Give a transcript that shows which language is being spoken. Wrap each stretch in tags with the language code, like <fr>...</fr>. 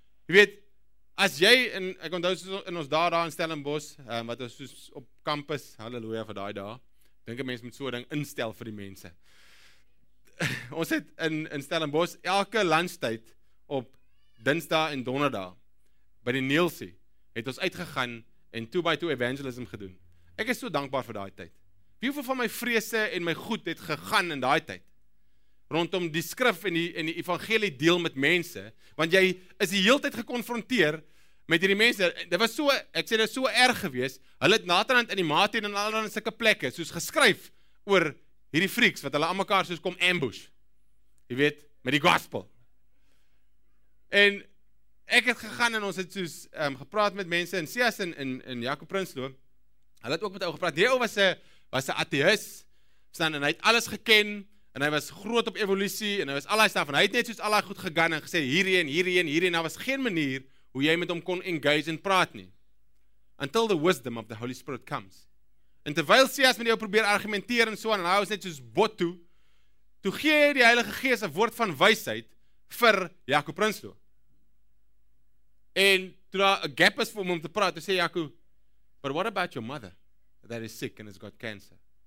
<af>Jy weet, as jy, en ek onthou soos in ons daar in Stellenbosch, wat ons soos op kampus, halleluja vir daai dag, dink een mens moet so ding instel vir die mense. Ons het in Stellenbosch elke lunchtijd op dinsdag en donderdag, by die Neelsie, het ons uitgegaan en 2x2 evangelism gedoen. Ek is so dankbaar vir daai tyd. Hoeveel van my vrese en my goed het gegaan in daai tyd rondom die skrif en die evangelie deel met mense, want jy is die heeltyd gekonfronteer met hierdie mense. Dit was so, ek sê dit was so erg geweest. Hulle het naderhand in die mate en allerlei sulke plekke soos geskryf oor hierdie freaks wat hulle aan mekaar soos kom ambush. Jy weet, met die gospel. En ek het gegaan en ons het soos gepraat met mense in Sias en in Jakob Prinsloo. Hulle het ook met ou gepraat. Die ou was 'n ateïs. Staan en hy het alles geken en hy was groot op evolusie en hy was al daai staff en hy het net soos al daai goed gegaan en gesê hierheen, daar was geen manier hoe jy met hom kon engage en praat nie.</af> <en>Until the wisdom of the Holy Spirit comes.</en> <af>En terwyl Sias met jou probeer argumenteer en so aan, en hy was net soos bot toe, toe gee hy die Heilige Gees 'n woord van wysheid vir Jakob Prinsloo. En toe daar 'n gap is vir hom om te praat, toe sê Jakob,</af> <en>but what about your mother that is sick and has got cancer?</en>